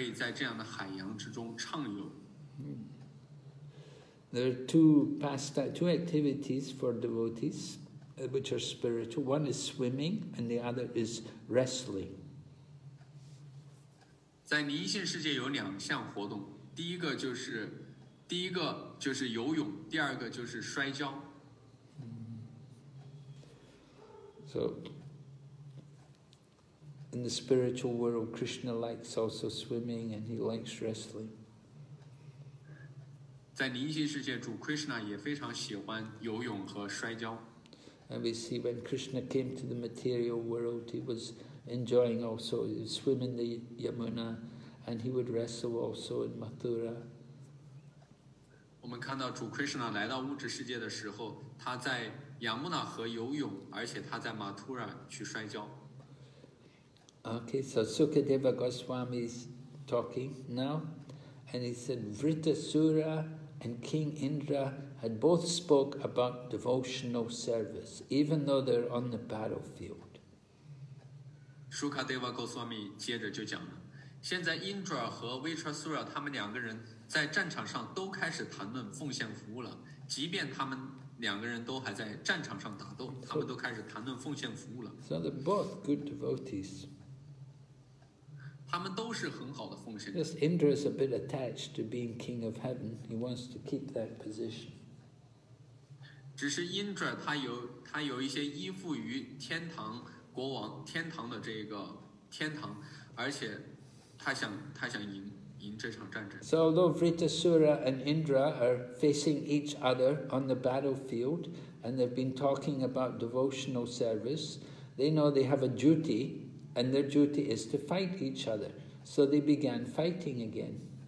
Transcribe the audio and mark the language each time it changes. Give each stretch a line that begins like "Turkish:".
Chinese: 而且奉献者可以在这样的海洋之中畅游。
English: There are two activities for devotees, which are spiritual. One is swimming, and the other is wrestling.
Chinese: 在灵性世界有两项活动，第一个就是第一个就是游泳，第二个就是摔跤。
English: So, in the spiritual world, Krishna likes also swimming and he likes wrestling.
Chinese: 在灵性世界，主 Krishna 也非常喜欢游泳和摔跤。
English: And we see when Krishna came to the material world, he was enjoying also swimming the Yamuna, and he would wrestle also in Mathura.
Chinese: 我们看到主 Krishna 来到物质世界的时候，他在亚穆纳河游泳，而且他在马图拉去摔跤。
English: Okay, so Sukadeva Goswami is talking now, and he said Vritasura and King Indra. Had both spoke about devotional service, even though they're on the battlefield.
Chinese: Sukadeva Goswami 接着就讲了，现在 Indra 和 Vritasura 他们两个人在战场上都开始谈论奉献服务了，即便他们两个人都还在战场上打斗，他们都开始谈论奉献服务了。
English: So they're both good devotees.
Chinese: 他们都是很好的奉献。
English: Yes, Indra is a bit attached to being king of heaven. He wants to keep that position.
Chinese: 只是 Indra 他有一些依附于天堂国王天堂的这个天堂，而且他想赢这场战争。
English: So although Vritasura and Indra are facing each other on the battlefield, and they've been talking about devotional service, they know they have a duty, and their duty is to fight each other. So they began fighting again.